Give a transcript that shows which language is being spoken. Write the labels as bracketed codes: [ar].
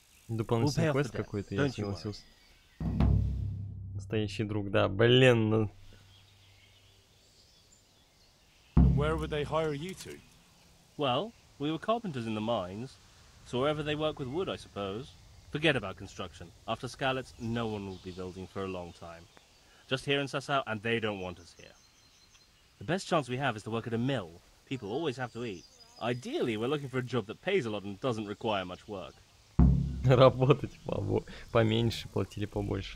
[ru] Дополнительный we'll квест какой-то, я согласился. Настоящий друг, да, блин, ну... [en] Where would they hire you to? Well, we were carpenters in the mines, so wherever they work with wood, I suppose. Forget about construction. After Scarlet's, no one will be building for a long time. Just here in Sasau, and they don't want us here. The best chance we have is to work at a mill. People always have to eat. Ideally, we're looking for a job that pays a lot and doesn't require much work. [ru] Работать поменьше, платили побольше.